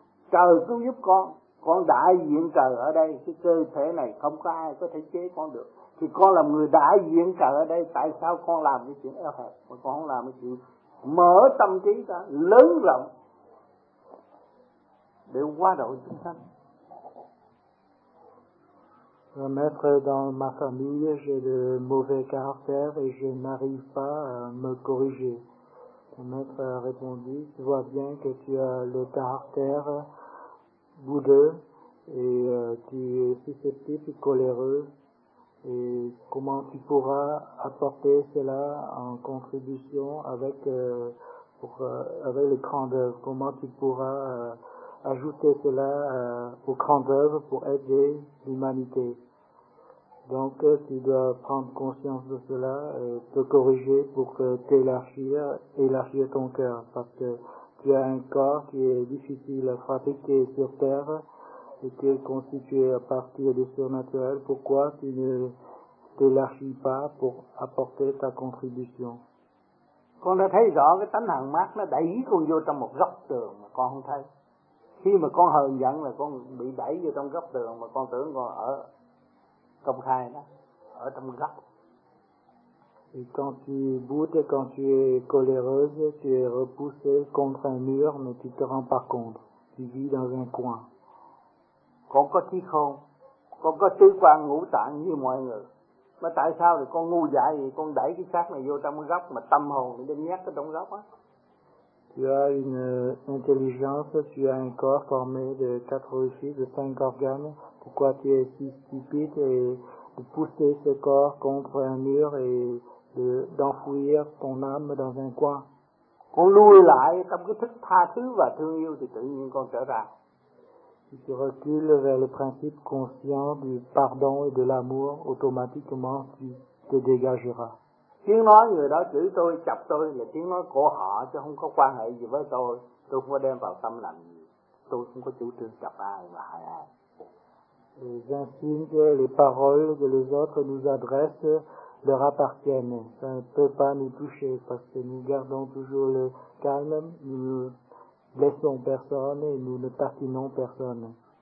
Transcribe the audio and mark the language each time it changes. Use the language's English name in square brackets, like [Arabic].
[Vietnamese] Trời cứu giúp con đại diện trời ở đây, cái cơ thể này không có ai có thể chế con được. Thì con là người đại diện trợ ở đây, tại sao con làm cái chuyện eo hẹp mà con không làm cái chuyện mở tâm trí ra lớn rộng để qua độ chúng sanh? [French] Le maître, dans ma famille j'ai de mauvais caractère et je n'arrive pas à me corriger. Le maître a répondu, tu vois bien que tu as le caractère boudeux et tu es susceptible et coléreux. Et comment tu pourras apporter cela en contribution avec les grandes œuvres? Comment tu pourras ajouter cela aux grandes œuvres pour aider l'humanité? Donc tu dois prendre conscience de cela et te corriger pour t'élargir ton cœur. Parce que tu as un corps qui est difficile à fabriquer sur terre et qui est constitué à partir du surnaturel. Pourquoi tu ne t'élargis pas pour apporter ta contribution? [Vietnamese] Con đã thấy rõ cái tánh hằng mát nó đẩy con vô trong một góc tường mà con không thấy. Khi mà con hờn giận là con bị đẩy vô trong góc tường mà con tưởng con ở công khai đó, ở trong góc. [French] Et quand tu boudes, quand tu es coléreuse, tu es repoussé contre un mur, mais tu te rends pas compte. Tu vis dans un coin. [Vietnamese] Con có trí khôn, con có tứ quan ngũ tạng như mọi người. Mà tại sao thì con ngu dại gì, con đẩy cái xác này vô trong góc mà tâm hồn nó nhét cái trong góc á. [French] Tu as une intelligence, tu as un corps formé de 4 fils, de 5 organes. Pourquoi tu es si stupide et de pousser ce corps contre un mur et d'enfouir ton âme dans un coin? [Vietnamese] Con lui lại trong cái thức tha thứ và thương yêu thì tự nhiên con trở ra. [French] Si tu recules vers le principe conscient du pardon et de l'amour, automatiquement tu te dégageras. [Vietnamese] Tiếng nói người đó chửi tôi, chọc tôi là tiếng nói của họ chứ không có quan hệ gì với tôi. Tôi không có đem vào tâm lành gì. Tôi không có chủ trương chọc ai và hại ai. [French] Les insultes, les paroles que les autres nous adressent leur appartiennent. Ça ne peut pas nous toucher parce que nous gardons toujours le calme, nous ne blessons personne et nous ne taquinons personne.